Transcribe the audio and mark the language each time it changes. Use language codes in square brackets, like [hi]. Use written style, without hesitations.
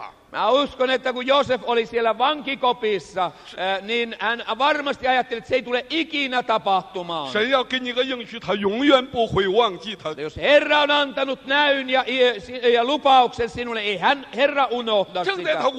[fi] Mä uskon, että kun Joosef oli siellä vankikopissa, niin hän varmasti ajatteli, että se ei tule ikinä tapahtumaan. [zh] 神要给你个应许, 他永远不会忘记. [fi] Jos Herra on antanut näyn ja lupauksen sinulle, ei hän Herra unohda sitä.